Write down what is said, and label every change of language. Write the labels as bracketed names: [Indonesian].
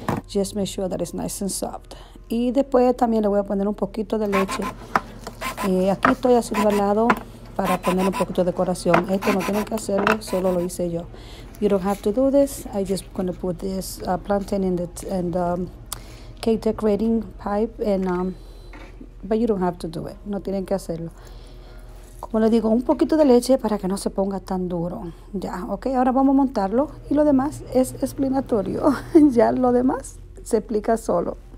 [English] Just make sure that it's nice and soft. [Spanish] Y después también le voy a poner un poquito de leche. Y aquí estoy haciendo al lado para poner un poquito de decoración. Esto no tienen que hacerlo, solo lo hice yo. [English] You don't have to do this. I just gonna put this plantain in the cake decorating pipe and but you don't have to do it. [Spanish] No tienen que hacerlo. Como les digo, un poquito de leche para que no se ponga tan duro. Ya, ok, ahora vamos a montarlo y lo demás es explanatorio. Ya lo demás se explica solo.